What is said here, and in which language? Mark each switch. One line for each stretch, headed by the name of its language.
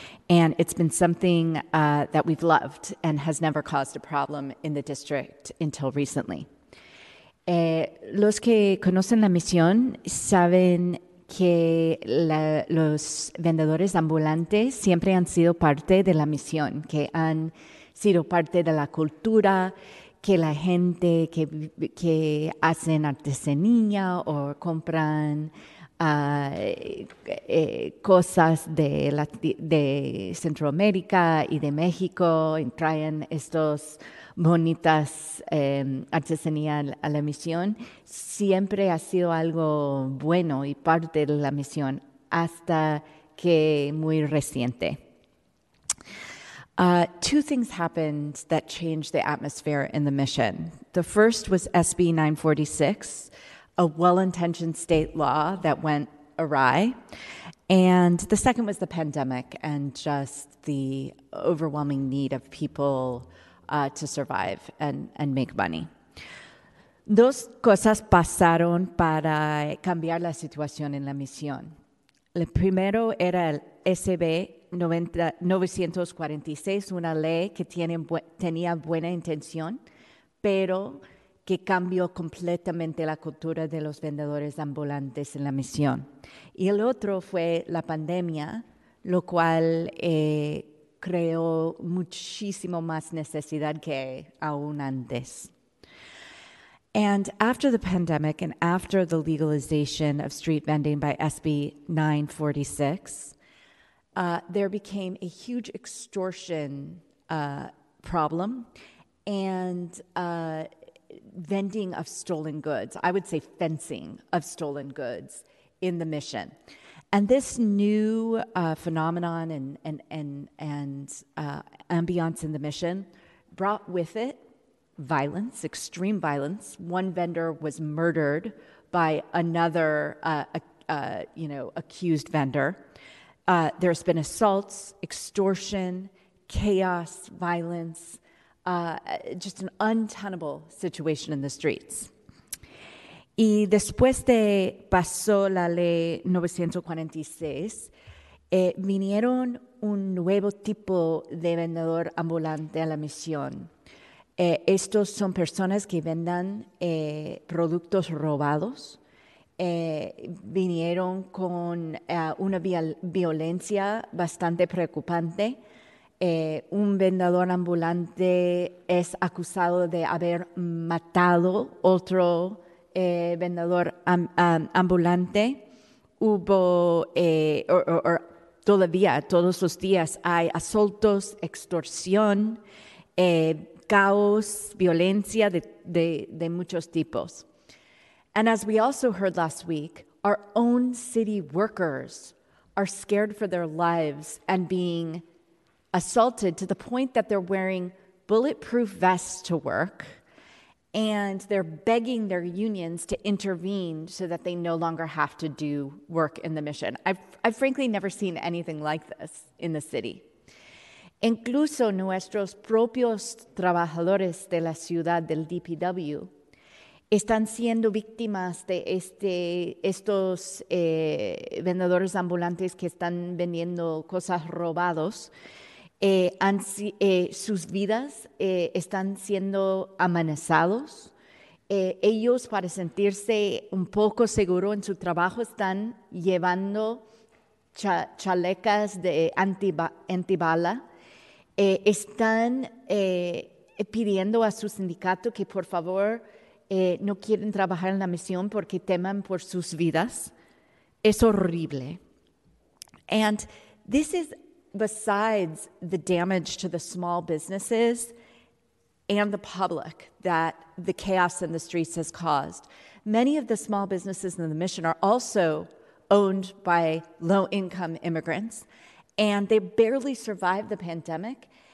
English: And it's been something that we've loved and has never caused a problem in the district until recently.
Spanish: Los que conocen la misión saben que los vendedores ambulantes siempre han sido parte de la misión, que han sido parte de la cultura, que la gente que hacen artesanía o compran cosas de Centroamérica y de México y traen estos bonitas artesanía a la misión, siempre ha sido algo bueno y parte de la misión hasta que muy reciente.
English: Two things happened that changed the atmosphere in the mission. The first was SB 946, a well-intentioned state law that went awry. And the second was the pandemic and just the overwhelming need of people to survive and make money.
Spanish: Dos cosas pasaron para cambiar la situación en la misión. El primero era el SB 946, una ley que tenía buena intención, pero que cambió completamente la cultura de los vendedores ambulantes en la misión. Y el otro fue la pandemia, lo cual creó muchísimo más necesidad que aún antes.
English: And after the pandemic and after the legalization of street vending by SB 946, there became a huge extortion problem and vending of stolen goods, I would say fencing of stolen goods in the mission. And this new phenomenon and ambiance in the mission brought with it violence, extreme violence. One vendor was murdered by another, accused vendor. There's been assaults, extortion, chaos, violence, just an untenable situation in the streets.
Spanish: Y después de pasó la ley 946, vinieron un nuevo tipo de vendedor ambulante a la misión. Estos son personas que vendan productos robados. Vinieron con una violencia bastante preocupante. Un vendedor ambulante es acusado de haber matado otro vendedor ambulante. Todos los días hay asaltos, extorsión, caos, violencia de muchos tipos.
English: And as we also heard last week, our own city workers are scared for their lives and being assaulted to the point that they're wearing bulletproof vests to work, and they're begging their unions to intervene so that they no longer have to do work in the mission. I've frankly never seen anything like this in the city.
Spanish: Incluso nuestros propios trabajadores de la ciudad del DPW están siendo víctimas de estos vendedores ambulantes que están vendiendo cosas robados. Sus vidas están siendo amenazados. Ellos, para sentirse un poco seguro en su trabajo, están llevando chalecas de antibala. Están pidiendo a su sindicato que, por favor, no quieren trabajar en la misión porque temen por sus vidas. Es horrible.
English: And this is besides the damage to the small businesses and the public that the chaos in the streets has caused. Many of the small businesses in the mission are also owned by low-income immigrants, and they barely survived the pandemic.